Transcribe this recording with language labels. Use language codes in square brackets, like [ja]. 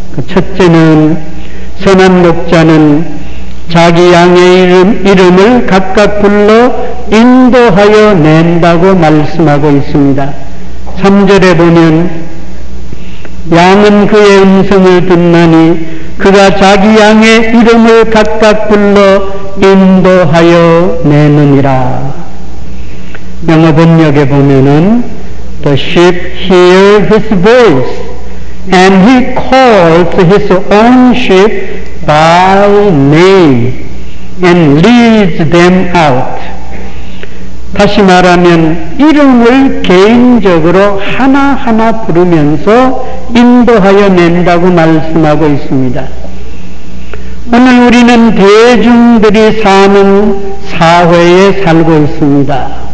[ko] 첫째는 선한 목자는 자기 양의 이름을 각각 불러 인도하여 낸다고 말씀하고 있습니다. 3절에 보면 양은 그의 음성을 듣나니 그가 자기 양의 이름을 각각 불러 인도하여 내느니라. 영어 번역에 보면은 [en] The sheep hear his voice and he calls his own sheep by name and leads them out. [ko] 다시 말하면 이름을 개인적으로 하나하나 부르면서 인도하여 낸다고 말씀하고 있습니다. 오늘 우리는 대중들이 사는 사회에 살고 있습니다.